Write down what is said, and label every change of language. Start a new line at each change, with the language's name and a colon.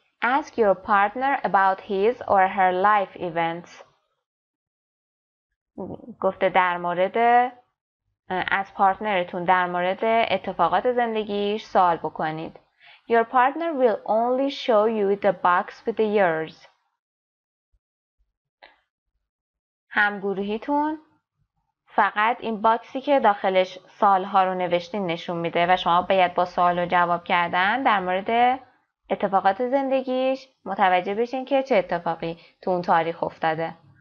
English: Ask your partner about his or her life events.
Persian: گفته در مورد از پارتنرتون در مورد اتفاقات زندگیش سوال بکنید.
English: Your partner will only show you the box with the years.
Persian: همگروهیتون فقط این باکسی که داخلش سالها رو نوشتین نشون میده و شما باید با سوال و جواب کردن در مورد اتفاقات زندگیش متوجه بشین که چه اتفاقی تو اون تاریخ افتاده.